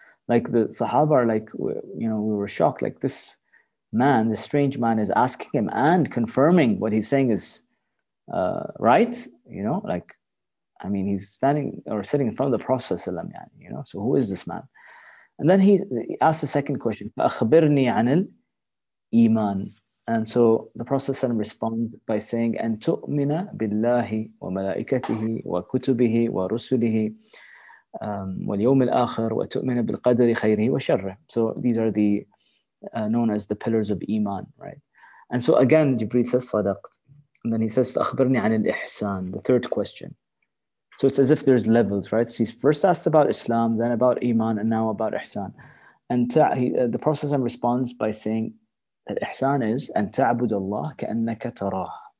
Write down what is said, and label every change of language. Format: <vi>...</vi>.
<en>Like the Sahaba are like, you know, we were shocked. Like this man, this strange man is asking him and confirming what he's saying is right? You know, like, I mean, he's standing or sitting in front of the Prophet, you know, so who is this man? And then he asked the second question,</en> <ar>فَأَخْبِرْنِي عَنِ الْإِيمَانِ.</ar> <en>And so the Prophet responds by saying,</en> <ar>أَن تُؤْمِنَ بِاللَّهِ وَمَلَائِكَتِهِ وَكُتُبِهِ وَرُسُلِهِ وَالْيَوْمِ الْآخِرِ وَتُؤْمِنَ بِالْقَدْرِ خَيْرِهِ وَشَرِّهِ.</ar> <en>So these are the known as the pillars of Iman, right? And so again, Jibreel says,</en> <ar>صَدَقْت.</ar> <en>And then he says,</en> <ar>فَأَخْبِرْنِي عَنِ الْإِحْسَانِ,</ar> <en>the third question. So it's as if there's levels, right? So he's first asked about Islam, then about Iman, and now about Ihsan. And the Prophet responds by saying that Ihsan is</en> <ar>أن تعبد الله كأنك تراه.</ar>